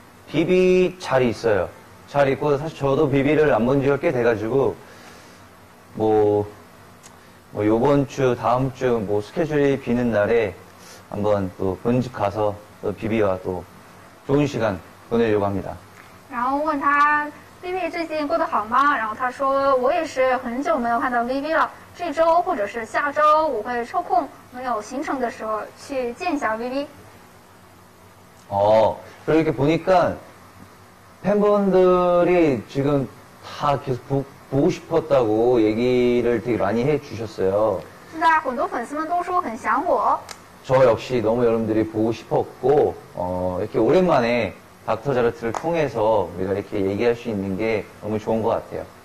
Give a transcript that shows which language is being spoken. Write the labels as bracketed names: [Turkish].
[Korean] 비비 잘 있어요. 잘 있고 사실 저도 비비를 안 본 지가 꽤 돼가지고 뭐 요번 주, 다음 주, 뭐 스케줄이 비는 날에 한번 또 본집 가서 또 비비와 또 좋은 시간 보내려고 합니다. [Chinese] 然后问他 비비最近过得好吗?然后他说我也是很久没有看到비비了这周或者是下周我会抽空没有行程的时候去见一下 비비. [Korean] 그렇게 보니까 팬분들이 지금 다 계속 보고 싶었다고 얘기를 되게 많이 해 주셨어요. [Chinese] 很多粉丝们都说很想我. [Korean] 저 역시 너무 여러분들이 보고 싶었고 이렇게 오랜만에 닥터 자르트를 통해서 우리가 이렇게 얘기할 수 있는 게 너무 좋은 것 같아요.